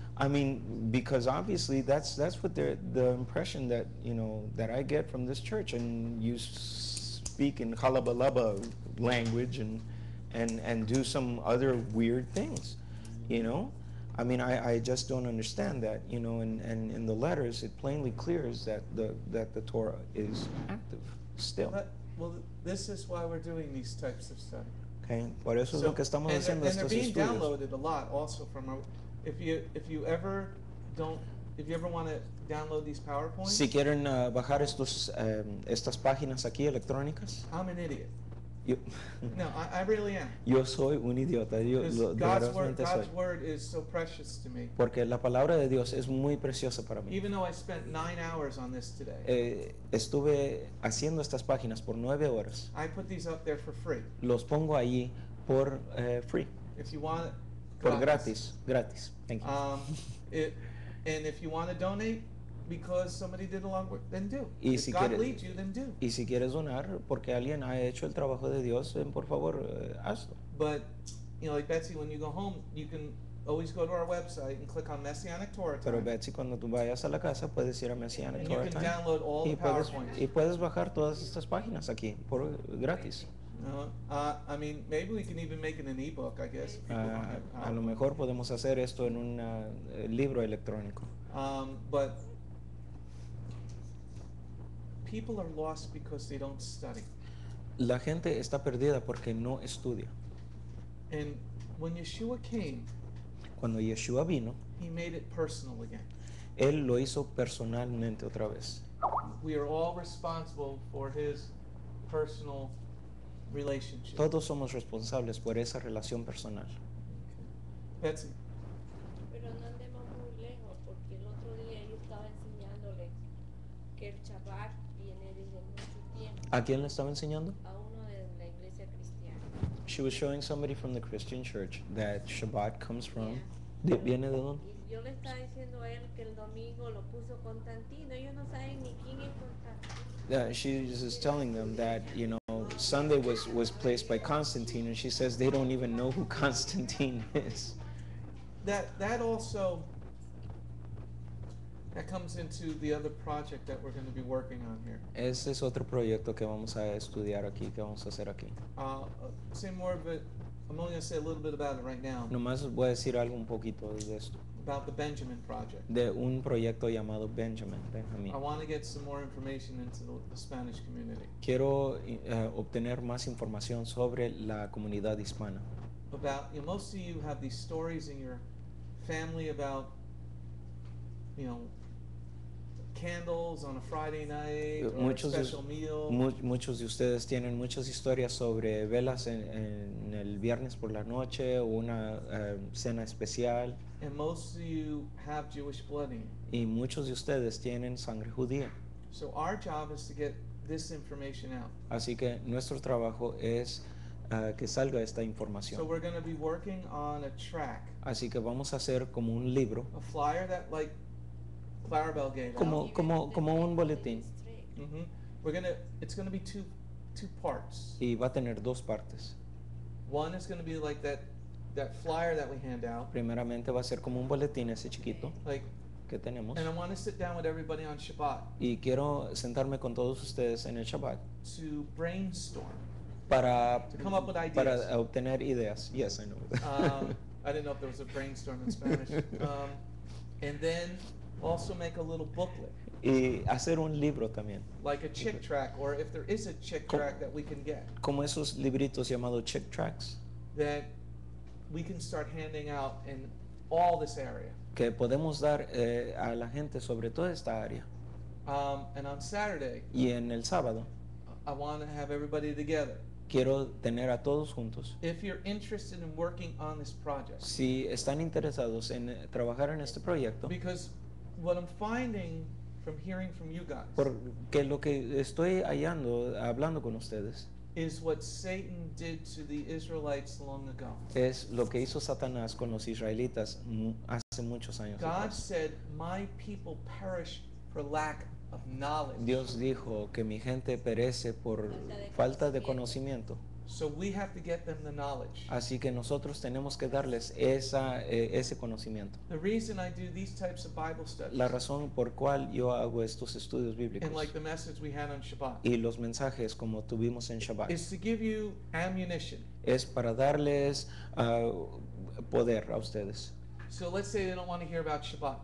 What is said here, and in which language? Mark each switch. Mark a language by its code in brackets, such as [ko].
[en] I mean, because obviously that's what the impression that, that I get from this church, and you speak in halabalaba language and do some other weird things, I mean, I just don't understand that, and in the letters it plainly clears that the Torah is active still. Well, this is why we're doing these types of study. [es] Okay, por eso es lo que estamos haciendo estos estudios. [en] And they're being downloaded a lot also from our... If you ever want to download these PowerPoints. [es] Si quieren bajar estos estas páginas aquí electrónicas. [en] I'm an idiot. [es] Yo, [en] no, I really am. [es] Yo soy un idiota. Yo, [en] God's word is so precious to me. [es] Porque la palabra de Dios es muy preciosa para mí. [en] Even though I spent 9 hours on this today. [es] Estuve haciendo estas páginas por 9 horas. [en] I put these up there for free. [es] Los pongo allí por [en] free. If you want. [es] Por gratis, [en] thank you. And if you want to donate, because somebody did a lot of work, then do. [es] Y [en] if [es] si [en] God [es] quieres, [en] leads you, then do. [es] Y si quieres donar porque alguien ha hecho el trabajo de Dios, [en] then [es] por favor, hazlo. [en] But, you know, like Betsy, when you go home, you can always go to our website and click on Messianic Torah Time. [es] Pero Betsy, cuando tú vayas a la casa, puedes ir a Messianic [en] and Torah Time. And you can download all the PowerPoints. [es] Y puedes bajar todas estas páginas aquí, por gratis. [en] I mean, maybe we can even make it an e-book, I guess. [es] A lo mejor podemos hacer esto en un libro electrónico. [en] But people are lost because they don't study. [es] La gente está perdida porque no estudia. [en] And when Yeshua came, [es] cuando Yeshua vino, [en] he made it personal again. [es] Él lo hizo personalmente otra vez. [en] We are all responsible for his personal relationship. Todos somos responsables por esa relación personal. Betsy. [es] Pero no andemos muy lejos, porque el otro día yo estaba enseñándole que el Shabbat viene desde mucho tiempo. ¿A quién le estaba enseñando? A uno de la iglesia cristiana. [en] She was showing somebody from the Christian church that Shabbat comes from. [es] Yeah. ¿Viene de dónde? Y yo le estaba diciendo a él que el domingo lo puso Constantino. Ellos no saben ni quién es Constantino. [en] Yeah, she is telling them that, you know, Sunday was placed by Constantine, and she says they don't even know who Constantine is. That also, that comes into the other project that we're going to be working on here. [es] Ese es otro proyecto que vamos a estudiar aquí, que vamos a hacer aquí. [en] Say more of it. I'm only going to say a little bit about it right now. [es] Nomás voy a decir algo un poquito de esto. [en] About the Benjamin project. [es] De un proyecto llamado Benjamin. Benjamin. [en] I want to get some more information into the Spanish community. [es] Quiero obtener más información sobre la comunidad hispana. [en] About, you know, most of you have these stories in your family about, you know, candles on a Friday night, or a special meal. [es] Muchos de ustedes tienen muchas historias sobre velas en el viernes por la noche o una cena especial. [en] And most of you have Jewish blood in you. [es] Y muchos de ustedes tienen sangre judía. [en] So our job is to get this information out. [es] Así que nuestro trabajo es que salga esta información. [en] So we're going to be working on a track. [es] Así que vamos a hacer como un libro. [en] A flyer that, like, Clarabel gave [es] como un boletín. [en] Mm-hmm. It's going to be two parts. [es] Y va a tener dos partes. [en] One is going to be like that flyer that we hand out. [es] Primeramente va a ser como un boletín ese chiquito. [en] Like, [es] que tenemos. [en] And I want to sit down with everybody on Shabbat. [es] Y quiero sentarme con todos ustedes en el Shabbat. [en] To brainstorm. [es] Para, [en] to come up with ideas. [es] Para obtener ideas. [en] Yes, I know. I didn't know if there was a brainstorm in Spanish. And then also make a little booklet. [es] Y hacer un libro también. [en] Like a chick track, or if there is a chick track that we can get. [es] Como esos libritos llamados chick tracks. [en] That we can start handing out in all this area. [es] Que podemos dar a la gente sobre toda esta área. [en] And on Saturday. [es] Y en el sábado. [en] I want to have everybody together. [es] Quiero tener a todos juntos. [en] If you're interested in working on this project. [es] Si están interesados en trabajar en este proyecto. [en] Because what I'm finding from hearing from you guys. [es] Porque lo que estoy hallando, hablando con ustedes. [en] Is what Satan did to the Israelites long ago. [es] Es lo que hizo Satanás con los israelitas hace muchos años. [en] God said, "My people perish for lack of knowledge." [es] Dios dijo que mi gente perece por falta de conocimiento. [en] So we have to get them the knowledge. [es] Así que nosotros tenemos que darles esa ese conocimiento. [en] The reason I do these types of Bible studies. [es] La razón por cual yo hago estos estudios bíblicos. [en] And like the message we had on Shabbat. [es] Y los mensajes como tuvimos en Shabbat. [en] Is to give you ammunition. [es] Es para darles poder a ustedes. [en] So let's say they don't want to hear about Shabbat.